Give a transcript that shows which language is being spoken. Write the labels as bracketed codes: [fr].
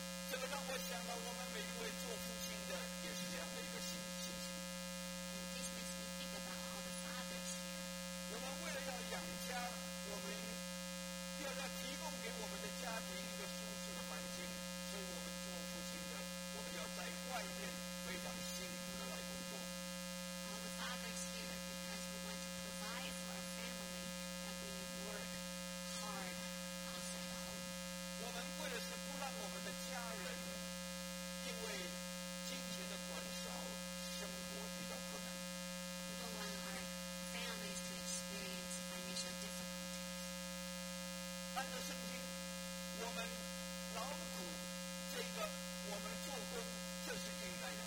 [zh] 这个让我想到我们每一位做父亲的也是这样的一个心情。 [en] This makes me think about all the fathers here. [zh] 我们为了要养家，我们要让提供给我们的家庭一个舒适的环境，所以我们做父亲的，我们要在外面非常辛苦的来工作。 [en] All the fathers here, because we want to provide for our family, that we work hard outside the home. [zh] 我们为的是不让我们的家人因为金钱的短少，生活比较困难。 [en] We don't want our families to experience financial difficulties. [zh] 按照圣经，我们劳苦。这个我们做工这是应该的。